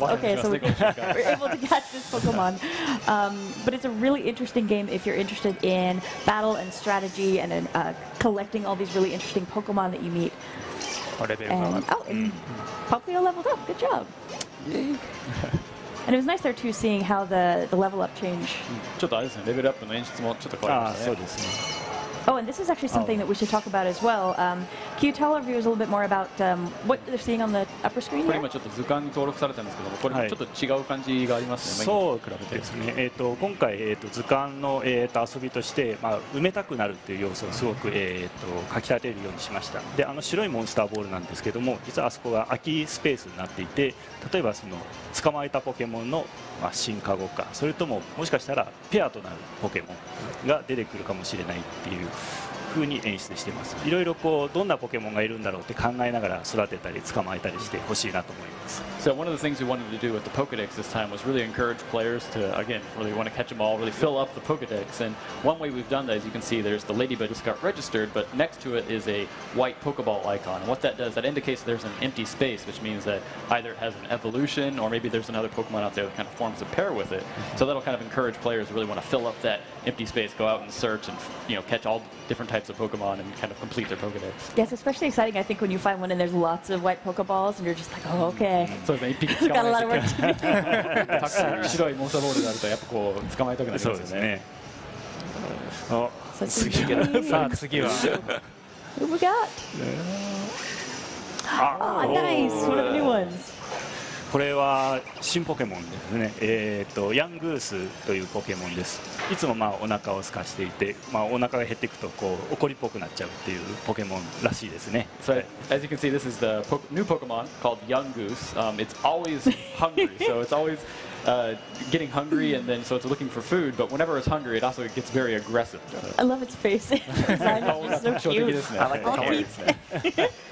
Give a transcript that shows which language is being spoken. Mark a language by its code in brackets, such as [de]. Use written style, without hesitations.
[en] Okay, so we're able to catch this Pokemon. But it's a really interesting game if you're interested in battle and strategy and collecting all these really interesting Pokemon that you meet. And Popplio leveled up. Good job. And it was nice there too, seeing how the level up change. [ja] ちょっとあれですね、レベルアップの演出もちょっと変わりましたね。そうですね。 [en] Oh, and this is actually something that we should talk about as well. Can you tell our viewers a little bit more about what they're seeing on the upper screen? [ja] これ今ちょっと図鑑に登録されてるんですけども、これちょっと違う感じがありますね。そう比べてですね。今回図鑑の遊びとして、まあ埋めたくなるっていう要素をすごく書き立てるようにしました。で、あの白いモンスターボールなんですけども、実はあそこが空きスペースになっていて、例えばその捕まえたポケモンの、まあ、進化後か、それとももしかしたらペアとなるポケモンが出てくるかもしれないっていう。風に演出しています。いろいろこうどんなポケモンがいるんだろうって考えながら育てたり捕まえたりしてほしいなと思います。 [en] So one of the things we wanted to do with the Pokedex this time was really encourage players to again really want to catch them all, really fill up the Pokedex. And one way we've done that, as you can see, there's the ladybug just got registered, but next to it is a white Pokeball icon. And what that does, that indicates there's an empty space, which means that either it has an evolution or maybe there's another Pokemon out there that kind of forms a pair with it. So that'll kind of encourage players to really want to fill up that empty space, go out and search and, you know, catch all different types of Pokemon and kind of complete their Pokedex. Yes, especially exciting, I think, when you find one and there's lots of white Pokeballs and you're just like, oh, okay. So it's got a lot of work to do. [ja] たくさん白いモンスターボールがあるとやっぱこう捕まえたくなりますね。そうですね。さあ次は。 [en] Who we got? Oh, nice! One of the new ones. [ja] これは新ポケモンですね。ヤングースというポケモンです。いつもまあお腹を空かしていて、まあ、お腹が減っていくとこう怒りっぽくなっちゃうっていうポケモンらしいですね。 [en] So as you can see, this is the new Pokemon called Young Goose. It's always hungry, so it's always getting hungry, and then so it's looking for food, but whenever it's hungry, it also gets very aggressive. I love its face. It's so cute. I like the color.